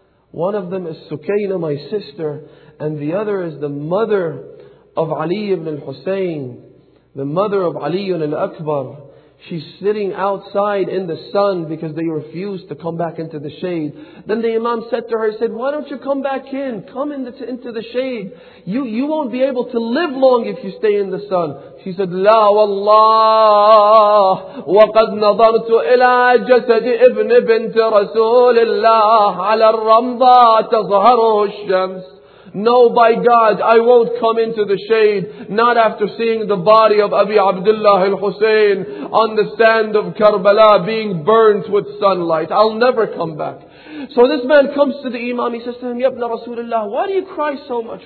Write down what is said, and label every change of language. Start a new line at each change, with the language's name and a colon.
English: One of them is Sukayna, my sister, and the other is the mother of Ali ibn al-Husayn, the mother of Ali ibn al-Akbar. She's sitting outside in the sun because they refused to come back into the shade. Then the Imam said to her, he said, why don't you come back in? Come into the shade. You won't be able to live long if you stay in the sun. She said,
Arabic: لا والله وقد نظرت إلى جسد ابن بنت رسول الله على الرمضة تظهره الشمس.
English: No, by God, I won't come into the shade, not after seeing the body of Abi Abdullah al-Husayn on the sand of Karbala being burnt with sunlight. I'll never come back. So this man comes to the Imam, he says to him, Ya Ibn Rasulullah, why do you cry so much?